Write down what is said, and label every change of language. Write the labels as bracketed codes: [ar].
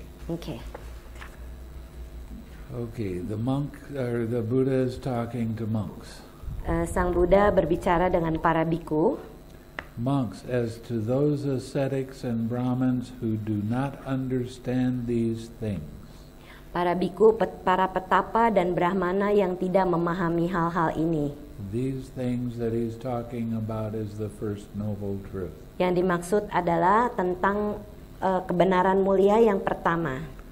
[en] Okay, the monk or the Buddha is talking to monks. [id] Sang Buddha berbicara dengan para bhikkhu. [en] Monks, as to those ascetics and Brahmins who do not understand these things. [id] Para bhikkhu, para petapa dan brahmana yang tidak memahami hal-hal ini. [en] These things that he's talking about is the first noble truth. [id] Yang dimaksud adalah tentang kebenaran mulia yang pertama.